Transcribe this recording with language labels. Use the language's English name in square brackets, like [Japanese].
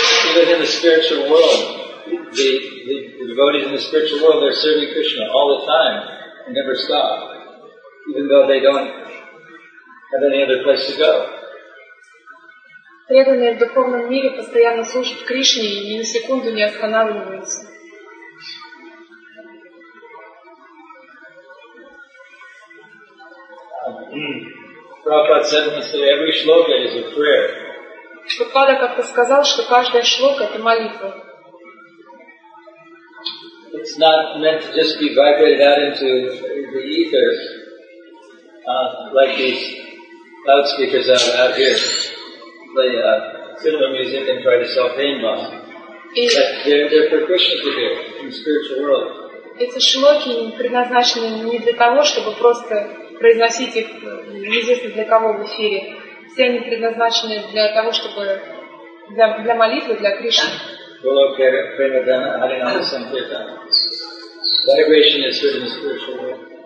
[English] Even in the spiritual world, the devotees in the spiritual world, they're serving Krishna all the time, and never stop. Even though they don't have any other place to go. [Russian] Преданные в духовном мире постоянно служат Кришне и ни на секунду не останавливаются. [English] Prabhupada said once that every shloka is a prayer. [Russian] Прабхупада как-то сказал, что каждая шлока — это молитва. [English] It's not meant to just be vibrated out into the ether. Like these loudspeakers out here play cinema music and try to sell paintball. They're for Krishna to hear in the spiritual world. [Russian] Эти шлоки предназначены не для того, чтобы просто произносить их неизвестно для кого в эфире. Все они предназначены для того, чтобы для молитвы, для Кришны. [English] Golokara Primadana Harinama Sankirtana. Vibration is heard in the spiritual world.